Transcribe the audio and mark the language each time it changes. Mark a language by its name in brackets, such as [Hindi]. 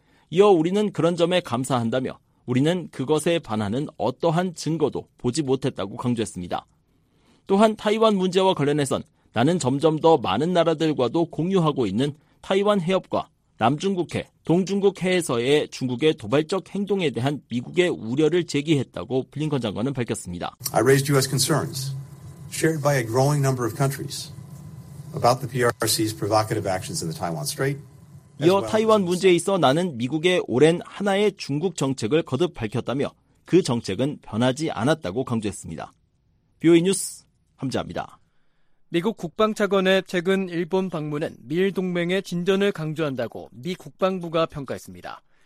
[Korean] 이어 우리는 그런 점에 감사한다며 우리는 그것에 반하는 어떠한 증거도 보지 못했다고 강조했습니다. 또한 타이완 문제와 관련해선 나는 점점 더 많은 나라들과도 공유하고 있는 타이완 해협과 남중국해, 동중국해에서의 중국의 도발적 행동에 대한 미국의 우려를 제기했다고 블링컨 장관은 밝혔습니다. [English] I raised U.S. concerns. shared by a growing number of countries about the PRC's provocative actions in the Taiwan Strait. [Korean] 이어 타이완 문제에 있어 나는 미국의 오랜 하나의 중국 정책을 거듭 밝혔다며 그 정책은 변하지 않았다고 강조했습니다. BOA 뉴스 함재합니다. 미국 국방차관의 최근 일본 방문은 미일 동맹의 진전을 강조한다고 미 국방부가 평가했습니다.